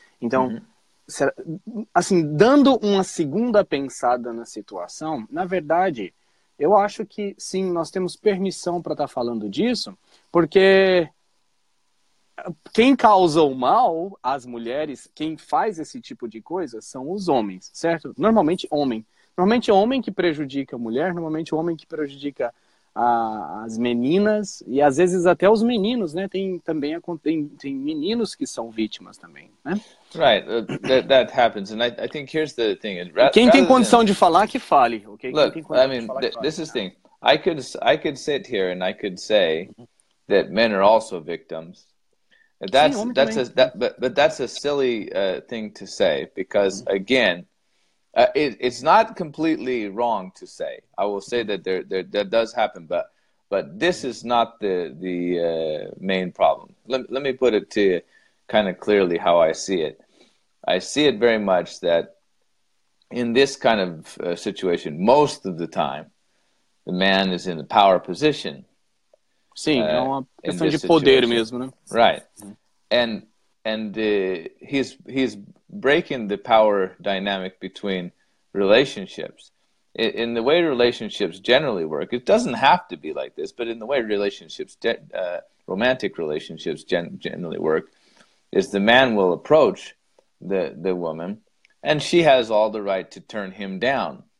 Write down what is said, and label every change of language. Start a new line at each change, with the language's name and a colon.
Portuguese: Então, será, assim, dando uma segunda pensada na situação, na verdade, eu acho que, sim, nós temos permissão para estar falando disso, porque quem causa o mal às mulheres, quem faz esse tipo de coisa, são os homens, certo? Normalmente, homem. Normalmente, homem que prejudica a mulher, normalmente, homem que prejudica as meninas e às vezes até os meninos, né? Tem meninos que são vítimas também, né?
English: Right, that happens, and I think here's the thing.
Portuguese: Quem tem condição de falar que fale, ok?
English: Look, I mean, this is the thing. I could sit here and I could say that men are also victims. That's a silly thing to say because again, it's not completely wrong to say. I will say that that does happen, but this is not the main problem. Let me put it to you kind of clearly how I see it. I see it very much that in this kind of situation, most of the time, the man is in the power position.
Portuguese: Sim, é uma questão de poder mesmo, né?
English: Right. And he's breaking the power dynamic between relationships. In the way relationships generally work, it doesn't have to be like this, but in the way relationships, romantic relationships generally work, is the man will approach the woman, and she has all the right to turn him down.